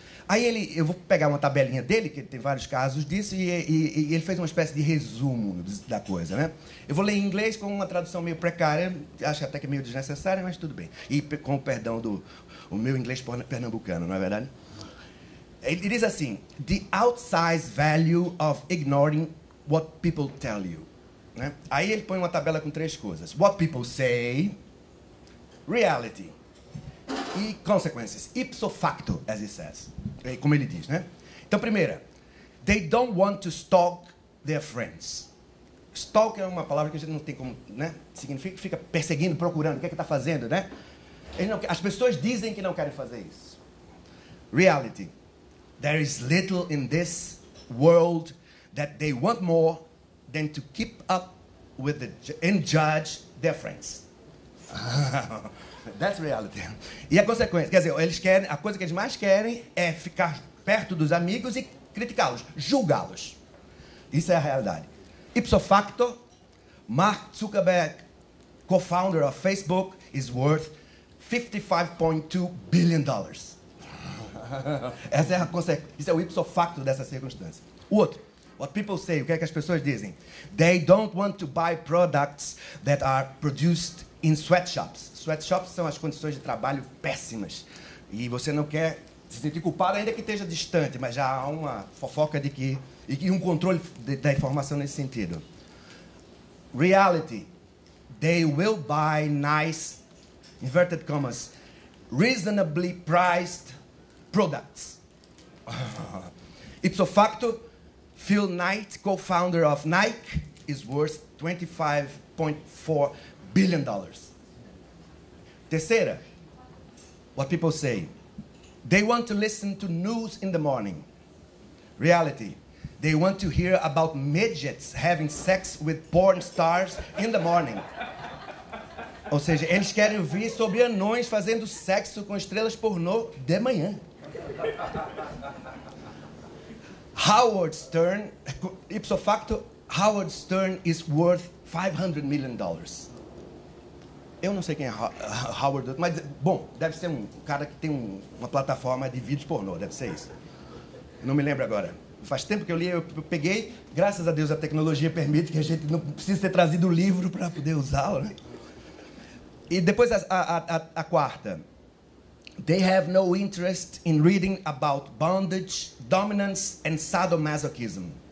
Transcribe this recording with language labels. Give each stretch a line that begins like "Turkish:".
Portuguese: Aí eu vou pegar uma tabelinha dele, que tem vários casos disso, e ele fez uma espécie de resumo da coisa, né? Eu vou ler em inglês com uma tradução meio precária, acho até que é meio desnecessária, mas tudo bem. E com o perdão do meu inglês pernambucano, não é verdade? Ele diz assim:
English: "The outsized value of ignoring what people tell you."
Portuguese: Né? Aí ele põe uma tabela com três coisas:
English: what people say,
Portuguese: reality e consequences, ipso facto,
English: as he says,
Portuguese: como ele diz, né? Então, primeira,
English: they don't want to stalk their friends.
Portuguese: Stalk é uma palavra que a gente não tem como, né? Significa fica perseguindo, procurando, o que é que está fazendo, né? As pessoas dizem que não querem fazer isso.
English: Reality, there is little in this world that they want more than to keep up with and judge their friends. That's reality.
Portuguese: E a consequência, quer dizer, a coisa que eles mais querem é ficar perto dos amigos e criticá-los, julgá-los. Isso é a realidade.
English: Ipso facto, Mark Zuckerberg, co-founder of Facebook, is worth $55.2 billion.
Portuguese: Essa é a consequência, isso é o ipso facto dessa circunstância. O outro,
English: what people say,
Portuguese: o que é que as pessoas dizem?
English: They don't want to buy products that are produced in sweatshops.
Portuguese: Sweatshops são as condições de trabalho péssimas. E você não quer se sentir culpado, ainda que esteja distante, mas já há uma fofoca de que... E um controle da informação nesse sentido. Reality.
English: They will buy nice, inverted commas, reasonably priced products. Ipso facto, Phil Knight, co-founder of Nike, is worth $25.4 billion.
Portuguese: Terceira,
English: what people say. They want to listen to news in the morning. Reality, they want to hear about midgets having sex with porn stars in the morning.
Portuguese: Ou seja, eles querem ouvir sobre anões fazendo sexo com estrelas pornô de manhã.
English: Howard Stern, ipso facto, Howard Stern is worth $500 million.
Portuguese: Eu não sei quem é Howard, mas, bom, deve ser um cara que tem uma plataforma de vídeos pornô, deve ser isso. Não me lembro agora. Faz tempo que eu li, eu peguei. Graças a Deus a tecnologia permite que a gente não precise ter trazido o livro para poder usá-lo, né? E depois a quarta.
English: They have no interest in reading about bondage, dominance, and sadomasochism.